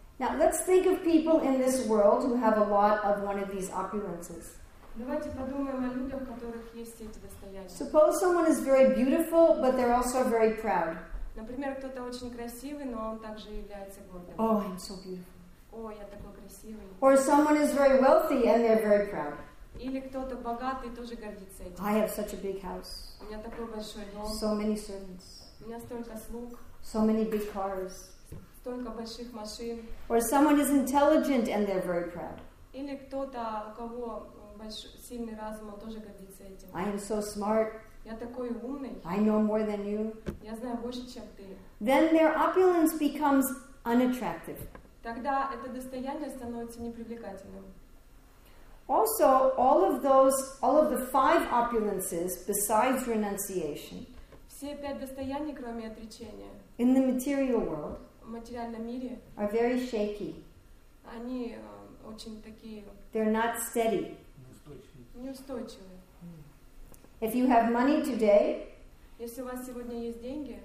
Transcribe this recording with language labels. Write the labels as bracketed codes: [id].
[en] Now let's think of people in this world who have a lot of one of these opulences. [ru] Давайте подумаем о людях, у которых есть эти достоинства. [en] Suppose someone is very beautiful, but they're also very proud. [ru] Например, кто-то очень красивый, но он также является гордым. [en] Oh, I'm so beautiful. [ru] О, я такой красивый. [en] Or someone is very wealthy and they're very proud. [ru] Или кто-то богатый тоже гордится этим. [en] I have such a big house. [ru] У меня такой большой дом. [en] So many servants. [ru] У меня столько слуг. [en] So many big cars. [ru] Столько больших машин. [en] Or someone is intelligent and they're very proud. [ru] Или кто-то, у кого большой сильный разум, он тоже гордится этим. [en] I am so smart. [ru] Я такой умный. [en] I know more than you. [ru] Я знаю больше, чем ты. [en] Then their opulence becomes unattractive. [ru] Тогда это достояние становится непривлекательным. [en] Also, all of those, all of the five opulences besides renunciation. [ru] Все пять достояний, кроме отречения. [en] In the material world. [ru] В материальном мире. [en] Are very shaky. [ru] Они очень такие. [en] They're not steady. [ru] Неустойчивые. [en] If you have money today, [ru] если у вас сегодня есть деньги,